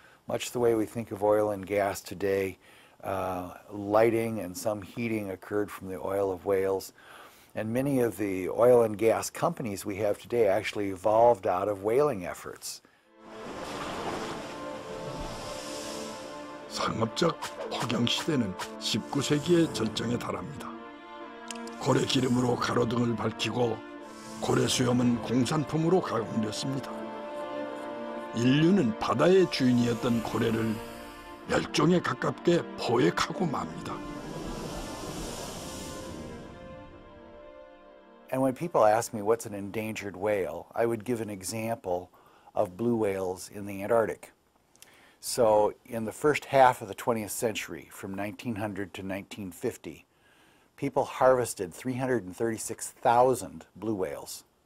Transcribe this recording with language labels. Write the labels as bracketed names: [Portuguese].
[English] Much the way we think of oil and gas today, lighting and some heating occurred from the oil of whales. And many of the oil and gas companies we have today actually evolved out of whaling efforts. [Korean] 상업적 폭양 시대는 19세기의 절정에 달합니다. 고래 기름으로 가로등을 밝히고 고래 수염은 공산품으로 가공됐습니다. 인류는 바다의 주인이었던 고래를 멸종에 가깝게 포획하고 맙니다. [English] And when people ask me what's an endangered whale, I would give an example of blue whales in the Antarctic. So in the first half of the 20th century, from 1900 to 1950, people harvested 336,000 blue whales.